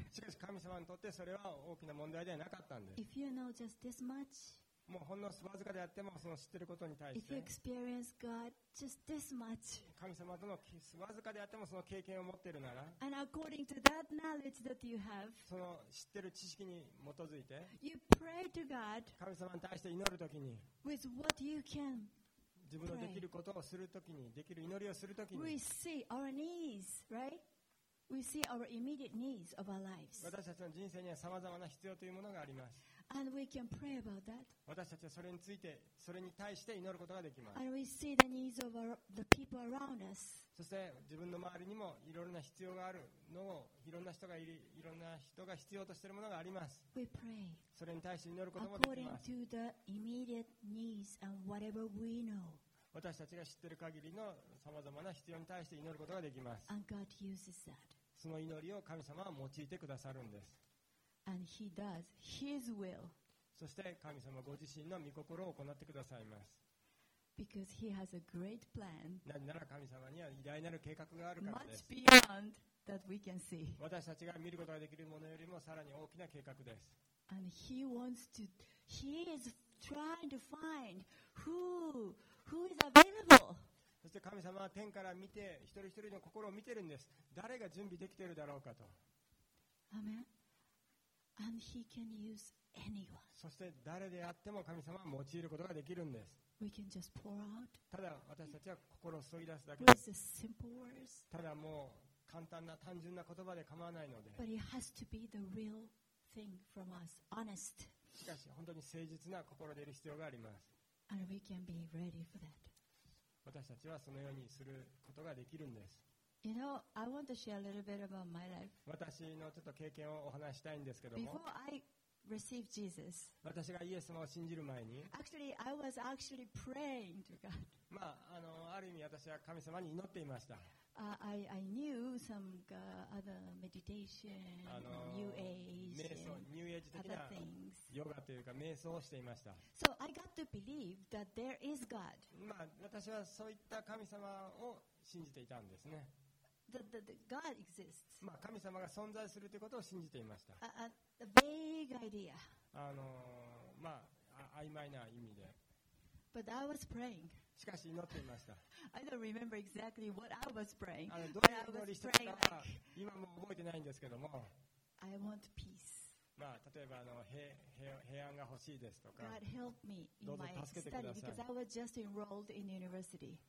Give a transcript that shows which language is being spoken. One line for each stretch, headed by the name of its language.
Japanese: しかし神様にとってそれは大きな問題ではなかったんです。
English: If you know just this much,
Japanese: もうほんのすばずかであってもその知ってることに対して、
English: If you experience God just this much,
Japanese: 神様とのすばずかであってもその経験を持っているなら、
English: And according to that knowledge that you have,
Japanese: その知ってる知識に基づいて、
English: you pray to God,
Japanese: 神様に対して祈るときに、
English: with what you can pray,
Japanese: 自分のできることをするときに、できる祈りをするときに、
English: we see our needs, right? We see our immediate needs of our lives.
Japanese: 私たちの人生にはさまざまな必要というものがあります。
English: And we can pray about that.
Japanese: 私たちはそれについて、それに対して祈ることができます。
English: And we see the needs of the people around us.
Japanese: そして自分の周りにもいろいろな必要があるのを、いろんな人がいろんな人が必要としているものがあります。
English: We pray.
Japanese: それに対して祈ることもできます。
English: According to the immediate needs and whatever we know.
Japanese: 私たちが知っている限りのさまざまな必要に対して祈ることができます。
English: And God uses that.
Japanese: その祈りを神様は用いてくださるんです。
English: And he does his will.
Japanese: そして神様ご自身の御心を行ってくださいます。
English: Because he has a great plan.
Japanese: なぜなら神様には偉大なる計画があるからです。
English: Much beyond that we can see.
Japanese: 私たちが見ることができるものよりもさらに大きな計画です。
English: And he wants to he is trying to find who is available.
Japanese: そして神様は天から見て一人一人の心を見てるんです。誰が準備できてるだろうかと。
English: Amen. And he can use anyone.
Japanese: そして誰であっても神様は用いることができるんです。
English: We can just pour out.
Japanese: ただ私たちは心を注ぎ出すだけです。
English: With the simple words.
Japanese: ただもう簡単な単純な言葉で構わないので。
English: But it has to be the real thing from us, honest.
Japanese: しかし本当に誠実な心でいる必要があります。
English: And we can be ready for that.
Japanese: 私たちはそのようにすることができるんです。
English: You know, I want to share a little bit about my life.
Japanese: 私のちょっと経験をお話したいんですけども。
English: Before I received Jesus,
Japanese: 私がイエス様を信じる前に、
English: Actually, I was actually praying to God.
Japanese: まあ、ある意味私は神様に祈っていました。
English: I knew some other meditation, New Age,
Japanese: 瞑想、ニューエイジ的なヨガというか瞑想をしていました。
English: So I got to believe that there is God.
Japanese: まあ、私はそういった神様を信じていたんですね。
English: That God exists.
Japanese: まあ、神様が存在するということを信じていました。
English: A vague idea.
Japanese: まあ、曖昧な意味で。
English: But I was praying.
Japanese: しかし祈っていました。
English: I don't remember exactly what I was praying.
Japanese: どういう祈りしたかは今も覚えてないんですけども、
English: I want peace.
Japanese: まあ例えば平安が欲しいですとか、
English: God help me in my study because I was just enrolled in university.